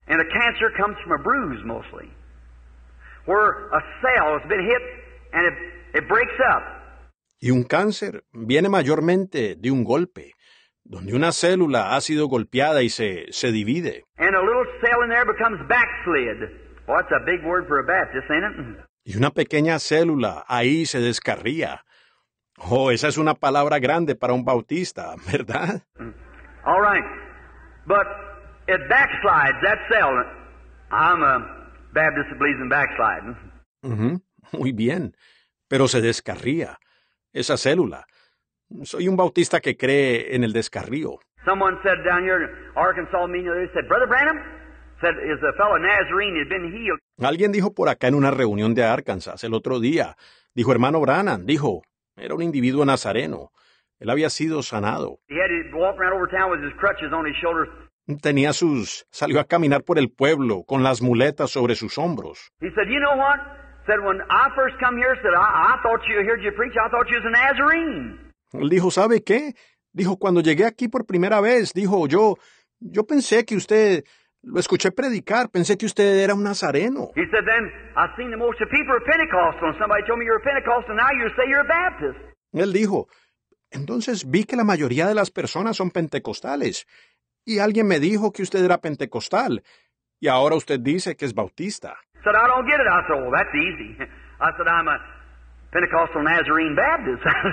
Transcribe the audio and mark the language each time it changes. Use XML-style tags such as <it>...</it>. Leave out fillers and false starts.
<en>And a cancer comes from a bruise, mostly. Where a cell has been hit and it breaks up.</en> <es>Y un cáncer viene mayormente de un golpe. Donde una célula ha sido golpeada y se divide.</es> <en>And a little cell in there becomes backslid. Well, that's a big word for a Baptist, ain't it?</en> <es>Y una pequeña célula ahí se descarría. Oh, esa es una palabra grande para un bautista, ¿verdad?</es> <en>All right. But it backslides, that cell. I'm a Baptist that believes in backsliding.</en> <es>Muy bien. Pero se descarría esa célula. Soy un bautista que cree en el descarrío.</es> <en>Someone said down here in Arkansas meeting, they said, Brother Branham, said, is a fellow Nazarene had been healed.</en> <es>Alguien dijo por acá en una reunión de Arkansas el otro día, dijo hermano Branham, dijo, era un individuo nazareno. Él había sido sanado.</es> <en>He had to walk around over town with his crutches on his shoulders.</en> <es>Salió a caminar por el pueblo con las muletas sobre sus hombros.</es> <en>He said, you know what? Said, when I first come here, said, I thought you heard you preach, I thought you was a Nazarene.</en> <es>Él dijo, ¿sabe qué? Dijo, cuando llegué aquí por primera vez, dijo, yo pensé que usted, lo escuché predicar, pensé que usted era un nazareno.</es> <en>He said, then, I've seen the most of people are Pentecostal, and somebody told me you're a Pentecostal, and now you say you're a Baptist.</en> <es>Él dijo, entonces vi que la mayoría de las personas son pentecostales, y alguien me dijo que usted era pentecostal, y ahora usted dice que es bautista.</es> <en>He said, I don't get it. I said, well, that's easy. I said, I'm a Pentecostal Nazarene Baptist.</en>